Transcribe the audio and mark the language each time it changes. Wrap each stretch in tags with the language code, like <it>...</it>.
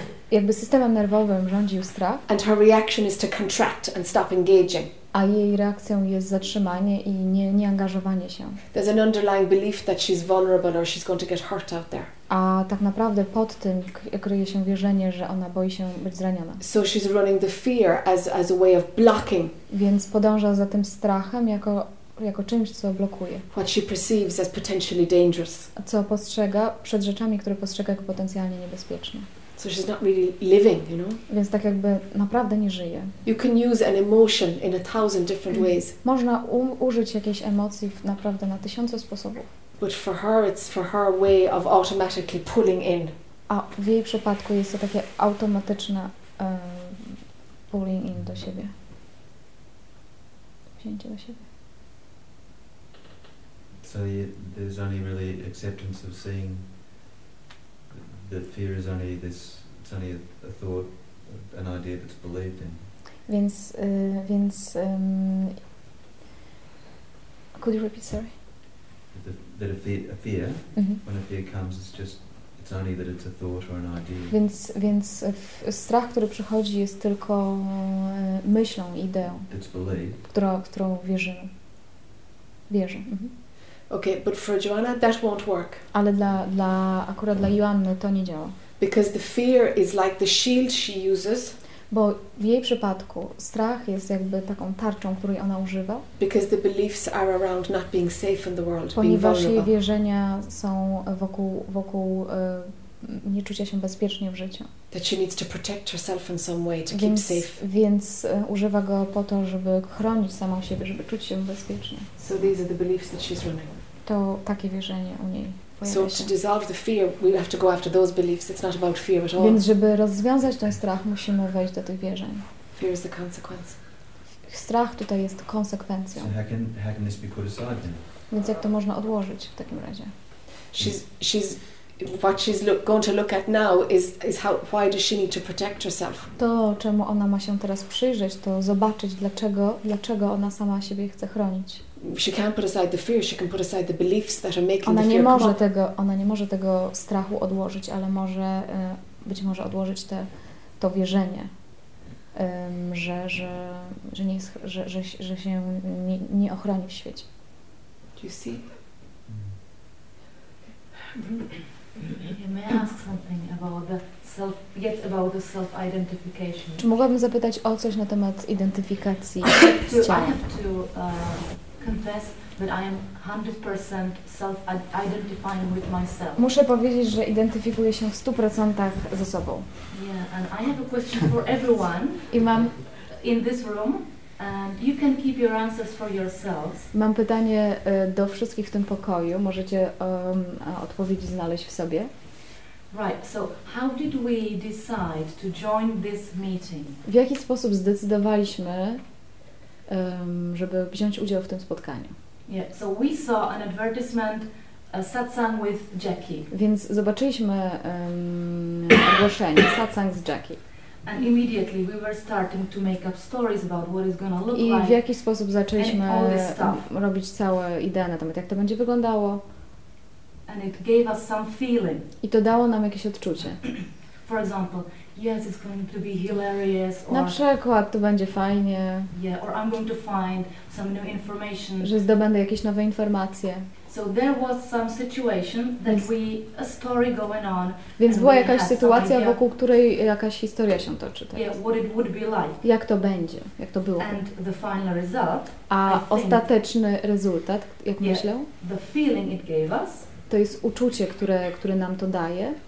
<pl>jakby systemem nerwowym rządził strach.</pl> <en>And her reaction is to contract and stop engaging.</en> <pl>A jej reakcją jest zatrzymanie i nie angażowanie się.</pl> <en>There's an underlying belief that she's vulnerable or she's going to get hurt out there.</en> <pl>A tak naprawdę pod tym kryje się wierzenie, że ona boi się być zraniona.</pl> <en>So she's running the fear as a way of blocking.</en> <pl>Więc podąża za tym strachem jako czymś, co blokuje.</pl> <en>What she perceives as potentially dangerous.</en> <pl>Co postrzega przed rzeczami, które postrzega jako potencjalnie niebezpieczne.</pl> <en>So she's not really living, you know?</en> <pl>Więc tak jakby naprawdę nie żyje.</pl> <en>You can use an emotion in a thousand different ways.</en> <pl>Można użyć jakiejś emocji naprawdę na tysiące sposobów.</pl> <en>But for her, it's for her way of automatically pulling in.</en> <pl>A w jej przypadku jest to takie automatyczne</pl> <en>pulling in</en> <pl>do siebie. Wzięcie do siebie.</pl> <en>So there's only really acceptance of seeing that fear is only this, it's only a thought, an idea that's believed in. Could you repeat, sorry? That a fear, mm-hmm. When a fear comes, it's just, it's only that it's a thought or an idea.</en> <pl>Więc strach, który przychodzi, jest tylko myślą, ideą.</pl> <en>That's believed.</en> <pl>Którą wierzę. Mm-hmm.</pl> <en>Okay, but for Joanna that won't work.</en> <pl>Ale dla akurat dla Joanny to nie działa.</pl> <en>Because the fear is like the shield she uses.</en> <pl>Bo w jej przypadku strach jest jakby taką tarczą, której ona używa.</pl> <en>Because the beliefs are around not being safe in the world, vulnerable.</en> <pl>Ponieważ jej wierzenia są wokół nie czucia się bezpiecznie w życiu.</pl> <en>That she needs to protect herself in some way to keep safe.</en> <pl>Więc używa go po to, żeby chronić samą siebie, żeby czuć się bezpiecznie.</pl> <en>So these are the beliefs that she's running.</en> <pl>To takie wierzenie u niej pojawia się.</pl> <en>So to dissolve the fear, we have to go after those beliefs. It's not about fear at all.</en> <pl>Więc żeby rozwiązać ten strach, musimy wejść do tych wierzeń.</pl> <en>Fear is the consequence.</en> <pl>Strach tutaj jest konsekwencją.</pl> <en>So how can this be put aside then?</en> <pl>Więc jak to można odłożyć w takim razie?</pl> <en>She's what she's going to look at now is how, why does she need to protect herself?</en> <pl>To, czemu ona ma się teraz przyjrzeć, to zobaczyć, dlaczego ona sama siebie chce chronić.</pl> <en>She can't put aside the fear, she can put aside the beliefs that are making</en> <pl>ona</pl> <en>the</en> <pl>nie</pl> <en>fear</en> <pl>może</pl> <en>come</en> <pl>tego, ona nie może tego strachu odłożyć, ale może być może odłożyć to wierzenie, że nie jest, że się nie ochroni w świecie.</pl> <en>Do you see? May I ask something about the self yet about the self-identification.</en> <pl>Czy mogłabym zapytać o coś na temat identyfikacji z ciałem?</pl> <en>I have to confess that I am 100% self-identifying with myself.</en> <pl>Muszę powiedzieć, że identyfikuję się w 100% ze sobą.</pl> <en>Yeah, and I have a question for everyone.</en> <pl>I mam</pl> <en>in this room. And you can keep your answers for yourselves.</en> <pl>Mam pytanie do wszystkich w tym pokoju. Możecie odpowiedzi znaleźć w sobie.</pl> <en>Right. So, how did we decide to join this meeting?</en> <pl>W jaki sposób zdecydowaliśmy, żeby wziąć udział w tym spotkaniu?</pl> <en>Yeah. So we saw an advertisement, a satsang with Jackie.</en> <pl>Więc zobaczyliśmy ogłoszenie satsang z Jackie.</pl> <en>And immediately we were starting to make up stories about what it's gonna look like.</en> <pl>I w jaki sposób zaczęliśmy robić całe idee na temat, jak to będzie wyglądało.</pl> <en>And it gave us some feeling.</en> <pl>I to dało nam jakieś odczucie.</pl> <en>For example, yes, it's going to be hilarious.</en> <pl>Na przykład, to będzie fajnie.</pl> <en>Yeah, or I'm going to find some new information.</en> <pl>Że zdobędę jakieś nowe informacje.</pl> <en>So there was some situation that we a story going on.</en> <pl>Więc była jakaś sytuacja, wokół której jakaś historia się toczy. Teraz.</pl> <en>Yeah, what it would be like.</en> <pl>Jak to będzie? Jak to było?</pl> <en>And the final result.</en> <pl>A ostateczny rezultat, jak myślę?</pl> <en>The feeling it gave us.</en> <pl>To jest uczucie, które nam to daje.</pl>